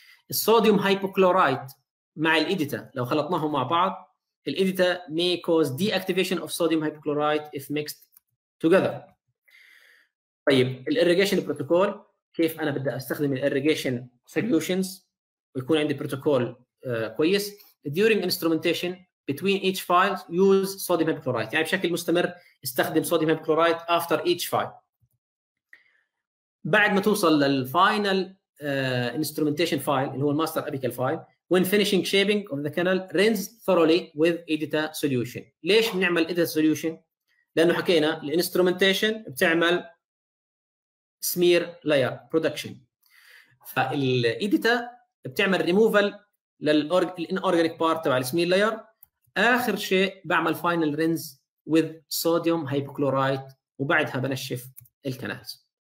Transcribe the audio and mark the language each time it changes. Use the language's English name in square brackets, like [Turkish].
[Arabic] الصوديوم هايبوكلورايت مع الايديتا لو خلطناهم مع بعض الايديتا [English] may cause deactivation of sodium hypochlorite if mixed together. [Arabic] طيب الايريجيشن بروتوكول كيف انا بدي استخدم الايريجيشن سوليوشنز ويكون عندي بروتوكول كويس. [English] During instrumentation between each file use sodium hypochlorite، [Arabic] يعني بشكل مستمر استخدم [English] sodium hypochlorite after each file. [Arabic] بعد ما توصل للفاينل instrumentation file اللي هو الماستر ابيكال فايل، [English] when finishing shaping of the canal rinse thoroughly with EDITA solution. [Arabic] ليش بنعمل EDITA solution؟ لانه حكينا الانسترومنتيشن بتعمل سمير لاير برودكشن، فالEDITA بتعمل ريموفال للانورجانيك بارت تبع السمير لاير، اخر شيء بعمل فاينل رينز [English] with sodium hypochlorite [Arabic] وبعدها بنشف الكنالز.